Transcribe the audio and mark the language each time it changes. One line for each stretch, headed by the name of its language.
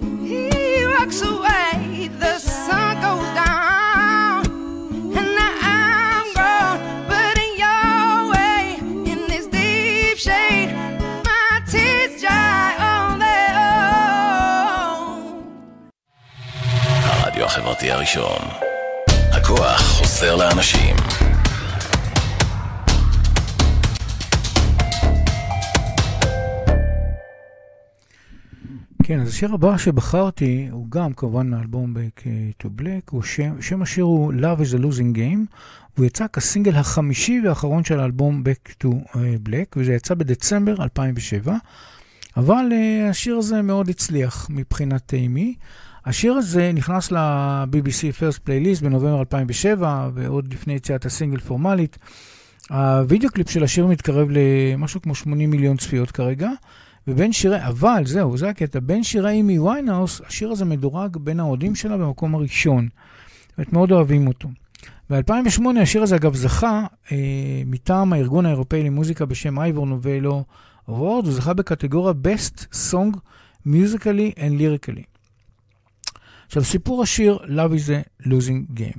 English: He walks away, the sun goes down, and I am grown, but in your way, in this deep shade my tears dry on their own.
Hebrew: הרדיו החברתי הראשון, הכוח חוזר לאנשים. כן, אז השיר הבא שבחרתי הוא גם כמובן מאלבום Back to Black, שם השיר הוא Love is a Losing Game, והוא יצא כסינגל החמישי והאחרון של האלבום Back to Black, וזה יצא בדצמבר 2007, אבל השיר הזה מאוד הצליח מבחינת איימי. השיר הזה נכנס ל-BBC First Playlist בנובמבר 2007, ועוד לפני יציאת הסינגל פורמלית. הוידאו קליפ של השיר מתקרב למשהו כמו 80 מיליון צפיות כרגע, ובין שירי, אבל זהו, זה הקטע, בין שירי איימי ויינהאוס, השיר הזה מדורג בין האוהדים שלה במקום הראשון. ואת מאוד אוהבים אותו. ב-2008 השיר הזה אגב זכה מטעם הארגון האירופאי למוזיקה בשם אייבור נובלו וורד, הוא זכה בקטגוריה Best Song Musically and Lyrically. עכשיו, סיפור השיר Love is a Losing Game.